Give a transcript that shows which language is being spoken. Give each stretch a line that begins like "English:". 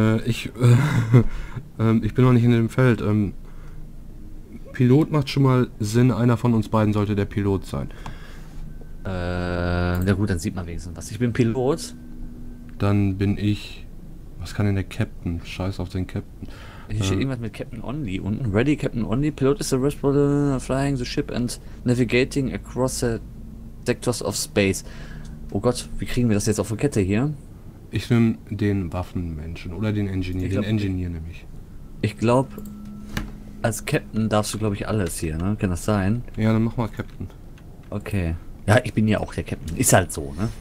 German: Ich bin noch nicht in dem Feld. Pilot macht schon mal Sinn, einer von uns beiden sollte der Pilot sein. Na gut, dann sieht man wenigstens was. Ich bin Pilot. Dann bin ich... Was kann denn der Captain? Scheiß auf den Captain. Hier steht irgendwas mit Captain Only unten.
English: Ready Captain Only. Pilot is the responsible flying the ship and navigating across the sectors of space.
German: Oh Gott, wie kriegen wir das jetzt auf die Kette hier? Ich nehme den Waffenmenschen oder den Engineer. Glaub, den Engineer nämlich. Ich glaube... Als Captain darfst du, glaube ich, alles hier, ne? Kann das sein? Ja, dann mach mal Captain. Okay. Ja, ich bin ja auch der Captain. Ist halt so, ne?